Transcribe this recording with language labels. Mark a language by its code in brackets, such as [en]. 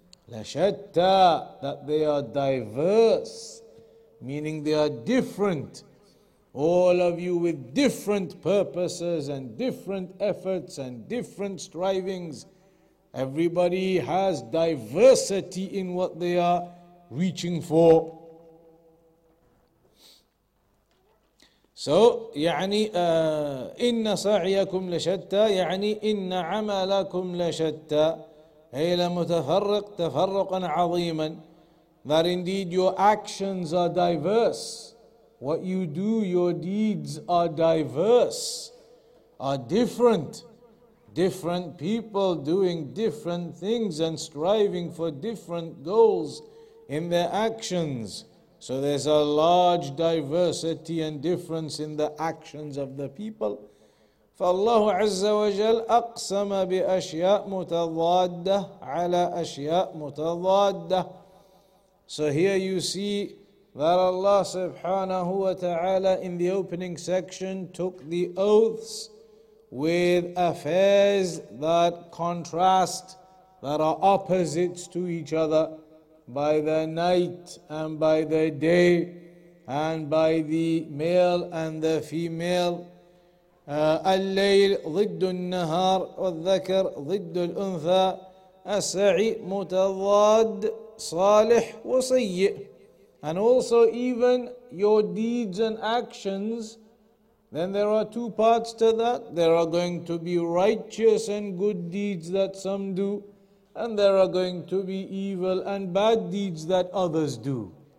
[en] لَشَتَّى, that they are diverse, meaning they are different, all of you with different purposes and different efforts and different strivings. Everybody has diversity in what they are reaching for. So, [ar] يعني إن سعيكم لشتى يعني إن عملكم لشتى أي لمتفرق تفرقا عظيما. [en] That indeed your actions are diverse. What you do, your deeds are diverse, are different. Different people doing different things and striving for different goals in their actions. So there's a large diversity and difference in the actions of the people. [ar] فالله عز وجل أقسم بأشياء متضادة على أشياء متضادة. [en] So here you see that Allah subhanahu wa ta'ala in the opening section took the oaths with affairs that contrast, that are opposites to each other, by the night and by the day, and by the male and the female. [ar] الليل ضد النهار والذكر ضد الأنثى السعي متضاد صالح وسيء. [en] And also even your deeds and actions, then there are two parts to that. There are going to be righteous and good deeds that some do, and there are going to be evil and bad deeds that others do.